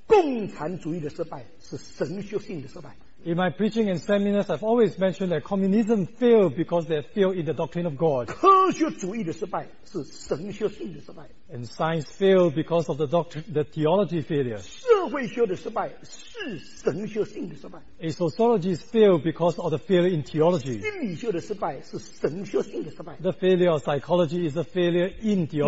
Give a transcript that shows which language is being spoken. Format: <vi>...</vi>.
<zh>提到了共产主义的失败是神学性的失败。</zh> <en>In my preaching and seminars, I've always mentioned that communism failed because they failed in the doctrine of God.</en> <zh>科学主义的失败是神学性的失败。</zh> <en>And science failed because of the theology failure.</en> <zh>社会学的失败是神学性的失败。</zh> <en>A sociology failed because of the failure in theology.</en> <zh>心理学的失败是神学性的失败。</zh> <en>The failure of psychology is a failure in theology.</en>